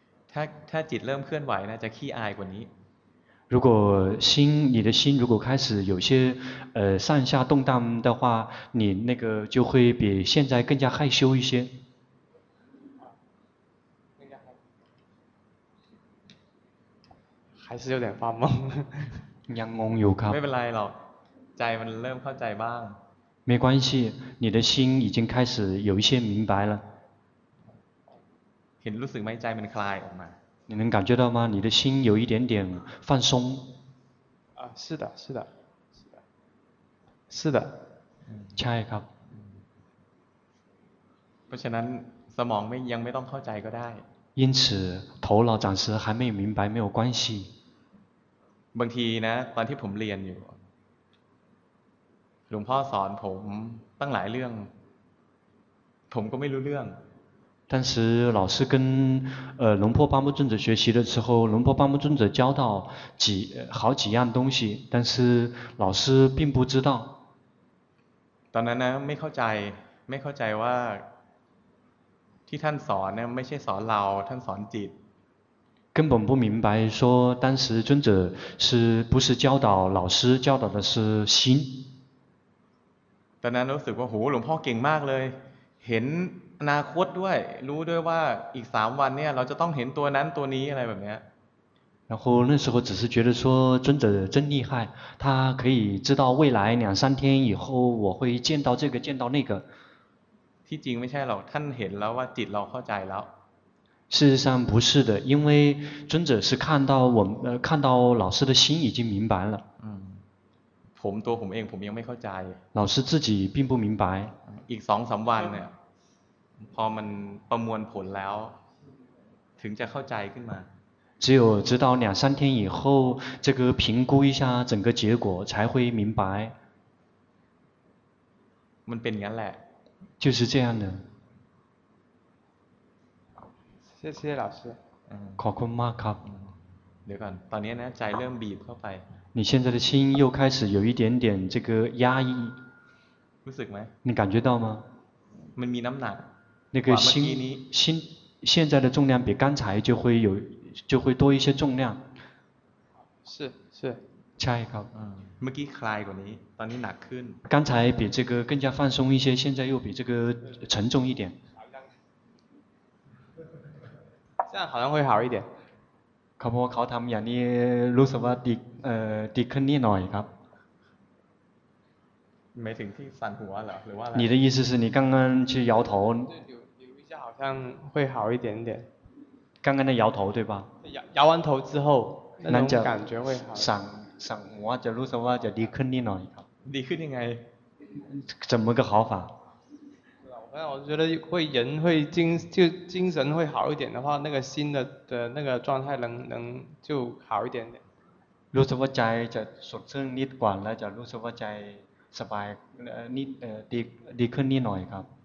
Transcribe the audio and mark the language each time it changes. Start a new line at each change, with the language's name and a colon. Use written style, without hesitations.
Thai: ถ้าจิตเริ่มเคลื่อนไหวนะจะขี้อายกว่านี้
Chinese: 如果心你的心如果开始有些上下动荡的话你那个就会比现在更加害羞一些还是有点发懵
Thai: ยังงงอยู่ครับ ไม่เป็นไรหรอกใจมันเริ่มเข้าใจบ้าง
Chinese: 没关系你的心已经开始有一些明白了
Thai: เห็นรู้สึกไหมใจมันคลายออกมา
Chinese: 你能感觉到吗你的心有一点点放松啊是的是的是的是的
Thai: ใช่ครับ เพราะฉะนั้นสมองยังไม่ต้องเข้าใจก็ได้
Chinese: 因此头脑暂时还没有明白没有关系
Thai: บางทีนะตอนที่ผมเรียนอยู่หลวงพ่อสอนผมตั้งหลายเรื่องผมก็ไม่รู้เรื่อง
Chinese: 当时老师跟龙婆巴木尊者学习的时候龙婆巴木尊者教到几好几样东西但是老师并不知道
Thai: ตอนนั้นนะไม่เข้าใจว่าที่ท่านสอนเนี่ยไม่ใช่สอนเราท่านสอนจิต
Chinese: 根本不明白说当时尊者是不是教导老师教导的是心
Thai: ตอนนั้นรู้สึกว่าโหหลวงพ่อเก่งมากเลยเห็นอนาคตด้วยรู้ด้วยว่าอีก3วันเนี่ยเราจะต้องเห็นตัวนั้นตัวนี้อะไรแบบเนี้ย
Chinese: 然后那时候只是觉得说尊者真厉害他可以知道未来两三天以后我会见到这个见到那个
Thai: ที่จริงไม่ใช่หรอกท่านเห็นแล้วว่าจิตเราเข้าใจแล้ว
Chinese: 事实上不是的因为尊者是看到我看到老师的心已经明白了
Thai: ผมตัวผมเองผมยังไม่เข้าใจ
Chinese: 老师自己并不明白
Thai: อีก2 3วันเนี่ยพอมันประมวลผลแล้วถึงจะเข้าใจขึ้นมา
Chinese: 只有直到两三天以后这个评估一下整个结果才会明白
Thai: มันเป็นอย่างนั้นแหละ
Chinese: 就是这样的谢谢老师
Thai: ขอบคุณมากครับ เดี๋ยวก่อนตอนนี้นะใจเริ่มบีบเข้าไป
Chinese: 你现在的心又开始有一点点这个压抑
Thai: รู้สึกไหม
Chinese: 你感觉到吗
Thai: มันมีน้ำหนัก
Chinese: 那个心现在的重量比刚才就会多一些重量是
Thai: ใช่ครับ เมื่อกี้คลายกว่านี้ตอนนี้หนักขึ้น
Chinese: 刚才比这个更加放松一些现在又比这个沉重一点这样好像会好一点
Thai: ครับเขาทำอย่างนี้รู้สึกว่าดีขึ้นนิดหน่อยครับ ไม่ถึงที่สั่นหัวหรือว่า
Chinese: 你的意思是你刚刚去摇头留一下好像会好一点点刚刚的摇头对吧摇完头之后那种感觉会好
Thai: 闪สั่งว่าจะรู้สึกว่าจะดีขึ้นนิดหน่อยครับ ดีขึ้นยังไง
Chinese: 怎么个好法我觉得会人会精就精神会好一点的话那个心的那个状态能就好一点点
Thai: รู้สึกว่าใจจะสดชื่นนิดกว่าแล้วจะรู้สึกว่าใจสบายนิดดีขึ้นนิดหน่อยครับ